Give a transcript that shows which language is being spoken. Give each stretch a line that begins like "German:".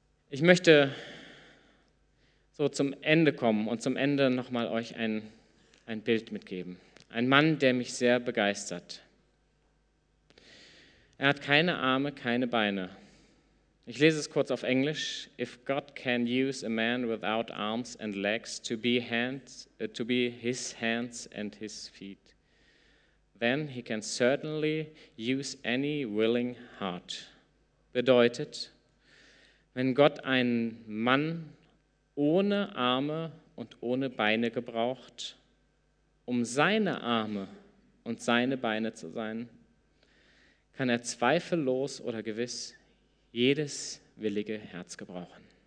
German: Ich möchte so zum Ende kommen und zum Ende nochmal euch ein Bild mitgeben. Ein Mann, der mich sehr begeistert. Er hat keine Arme, keine Beine. Ich lese es kurz auf Englisch.
English: If God can use a man without arms and legs to be his hands and his feet, then he can certainly use any willing heart.
German: Bedeutet, wenn Gott einen Mann ohne Arme und ohne Beine gebraucht, um seine Arme und seine Beine zu sein, kann er zweifellos oder gewiss jedes willige Herz gebrauchen.